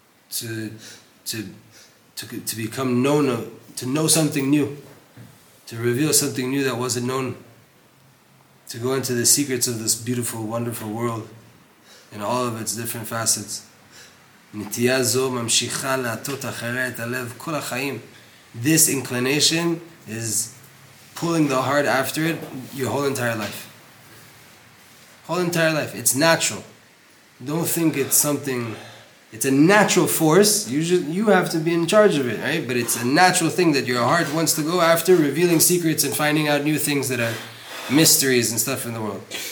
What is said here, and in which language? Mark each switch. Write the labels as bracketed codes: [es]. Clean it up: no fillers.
[en] To become known, to know something new, to reveal something new that wasn't known, to go into the secrets of this beautiful, wonderful world in all of its different facets. [he] נטייה זו ממשיכה להטות אחרי את הלב כל החיים. [en] This inclination is pulling the heart after it your whole entire life. Whole entire life. It's natural. Don't think it's something... It's a natural force. You have to be in charge of it, right? But it's a natural thing that your heart wants to go after, revealing secrets and finding out new things that are mysteries and stuff in the world.